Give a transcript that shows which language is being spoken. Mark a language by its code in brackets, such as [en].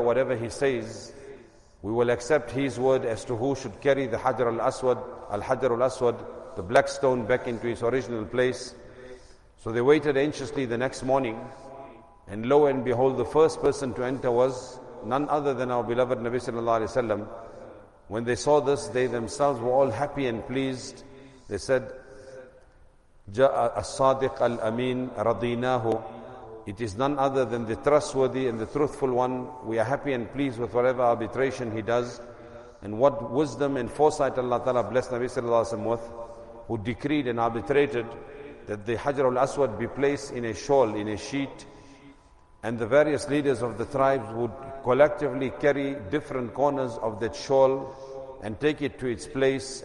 [en] Whatever he says, we will accept his word as to who should carry the Hajar al-Aswad, the black stone, back into its original place. So they waited anxiously the next morning, and lo and behold, the first person to enter was none other than our beloved Nabi sallallahu alayhi wa sallam. When they saw this, they themselves were all happy and pleased. They said, [ar] جَاءَ الصَّادِقَ الْأَمِينَ رَضِيْنَاهُ. [en] It is none other than the trustworthy and the truthful one. We are happy and pleased with whatever arbitration he does. And what wisdom and foresight Allah Ta'ala blessed Nabi sallallahu alayhi wa sallam with, who decreed and arbitrated that the Hajar al-Aswad be placed in a shawl, in a sheet, and the various leaders of the tribes would collectively carry different corners of that shawl and take it to its place.